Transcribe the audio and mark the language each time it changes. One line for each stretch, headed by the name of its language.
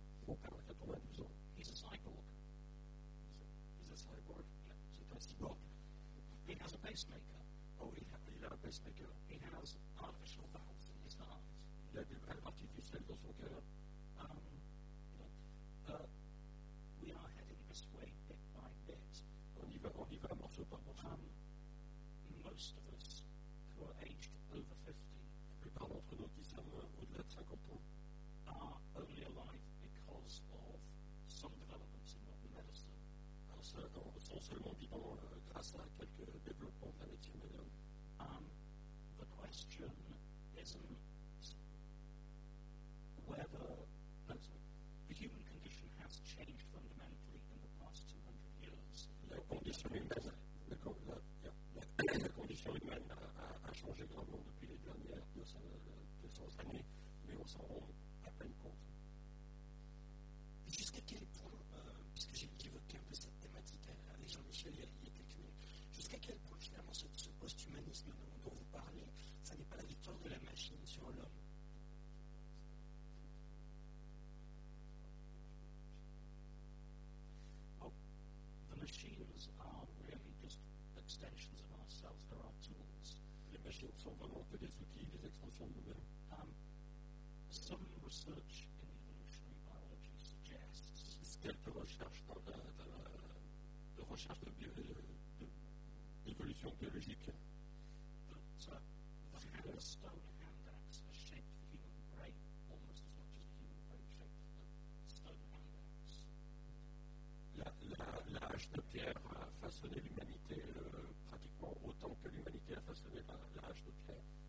French: Mon père a 92 ans.
English: He's a cyborg. He's a cyborg. Yeah,
French: c'est un cyborg.
English: He has a pacemaker.
French: Oh, il a un pacemaker.
English: He has artificial valves in his heart.
French: Il a des valves artificielles dans son cœur.
English: We are heading this way bit by bit.
French: On y va morceau par morceau.
English: Most of us who are aged over 50,
French: la plupart d'entre nous qui sommes au-delà de 50 ans,
English: are only alive because of some developments in modern medicine.
French: Sont seulement vivants grâce à quelques développements de la médecine moderne.
English: The question isn't whether the human condition has changed fundamentally in the past 200 years.
French: La condition humaine a changé grandement depuis les dernières 200 années, mais on s'en rend à peine compte. Jusqu'à quel point, puisque j'ai évoqué un peu cette thématique avec Jean-Michel il y a quelques minutes, jusqu'à quel point finalement ce post-humanisme dont vous parlez, ça n'est pas la victoire de la machine sur l'homme?
English: Machines are really just extensions of ourselves. They're our tools.
French: Les machines sont vraiment que des outils, des extensions de nous-mêmes.
English: Some research in evolutionary biology suggests.
French: Quelques recherches de recherche de d'évolution biologique.
English: That the stone hand axe has shaped the human brain almost as much as the human brain shaped the stone hand axe.
French: La hache de pierre a façonné l'humanité pratiquement autant que l'humanité a façonné la hache de pierre.